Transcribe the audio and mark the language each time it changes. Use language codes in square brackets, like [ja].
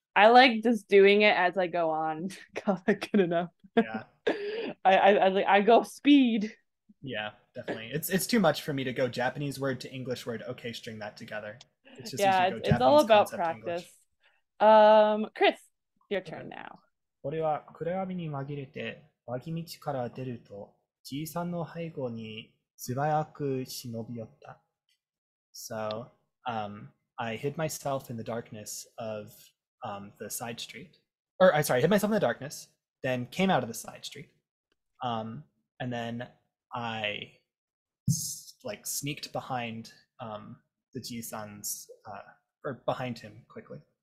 [en] I like just doing it as I go on. Got that good enough. Yeah. I go speed. Yeah, definitely. It's too much for me to go Japanese word to English word. Okay, string that together. It's just yeah, to go it's all about practice. Chris, your turn okay. now. [ja] これは暗闇に紛れて脇道から出るとじいさんの背後に素早く忍び寄った。 [en] So, I hid myself in the darkness of the side street. Or, I'm sorry, I hid myself in the darkness, then came out of the side street. And then I like sneaked behind the jisan's, or behind him quickly.